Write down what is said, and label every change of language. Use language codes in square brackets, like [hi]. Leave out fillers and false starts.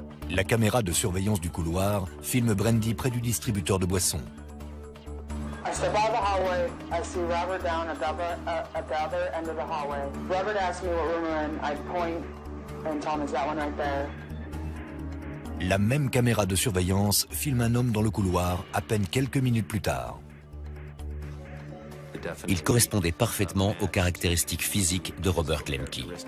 [fr] La caméra de surveillance du couloir filme Brandy près du distributeur de boissons. [en] I step out of the hallway, I see Robert down at the other end of the hallway. Robert asks me what room we're in, I point and tell him it's that one right there. [fr] La même caméra de surveillance filme un homme dans le couloir à peine quelques minutes plus tard. Il correspondait parfaitement aux caractéristiques physiques de Robert Lemke.